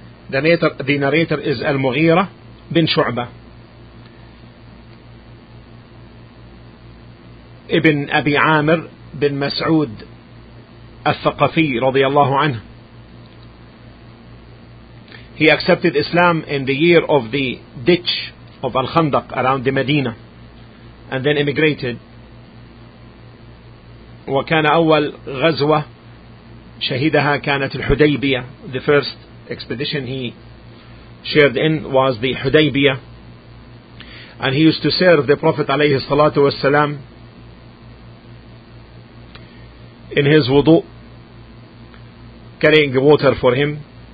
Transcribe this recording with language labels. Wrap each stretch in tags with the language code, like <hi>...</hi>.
<en>the narrator is Al-Mughira bin Shu'bah ibn Abi Amir bin Mas'ud al-Thaqafi radiyallahu anhu. He accepted Islam in the year of the ditch of Al-Khandaq around the Medina, and then immigrated.</en> <ar>وكان أول غزوة شهدها كانت الحديبية.</ar> <en>The first expedition he shared in was the Hudaybiyah. And he used to serve the Prophet</en> <ar>عليه الصلاة والسلام</ar> <en>in his wudu, carrying water for him.</en>